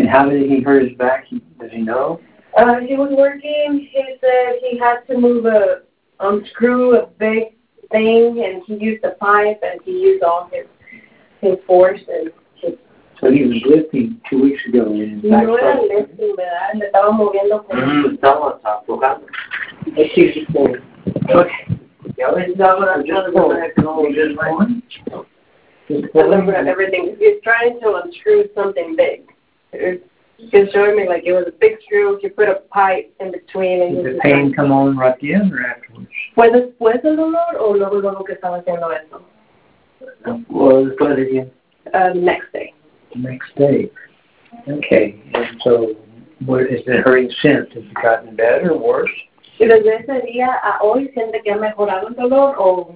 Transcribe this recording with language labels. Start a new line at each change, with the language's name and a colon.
English: And how did he hurt his back? Does he know? He was working, he said he had to move a screw, a big thing, and he used a pipe, and he used all his force. And so he was lifting 2 weeks ago, and in
Spanish: fact, no era lifting, ¿verdad? Le estaba moviendo.
English: Just everything. He's trying to unscrew something big. He can show me like it was a big screw. He put a pipe in between. Did the pain come on right then or afterwards?
Spanish: ¿Fue después del dolor o luego que estaba haciendo eso?
English: Next day. Next day. Okay. And so, what is the hurting since? Has it gotten better or worse?
Spanish: ¿Y desde ese día a hoy siente que ha mejorado el dolor o?